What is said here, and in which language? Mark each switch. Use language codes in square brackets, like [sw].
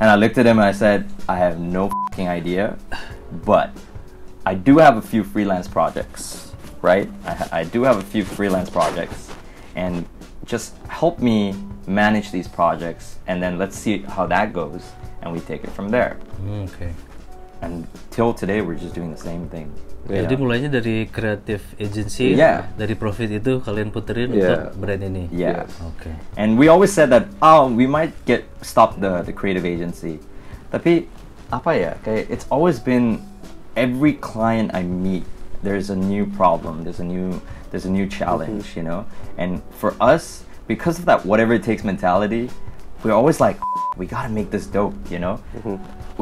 [en] And I looked at him and I said, I have no f***ing idea, but I do have a few freelance projects, right? I do have a few freelance projects, and just help me manage these projects, and then let's see how that goes, and we take it from there. Okay. And till today, we're just doing the same thing. Yeah. [id] Jadi mulainya dari creative agency, dari profit itu kalian puterin untuk brand ini. [en] Yeah. Okay. And we always said that we might get stop the creative agency, [id] tapi apa ya? [en] Kayak it's always been every client I meet, there's a new problem, there's a new challenge, you know. And for us, because of that whatever it takes mentality, we're always like, we gotta make this dope, you know. Mm-hmm.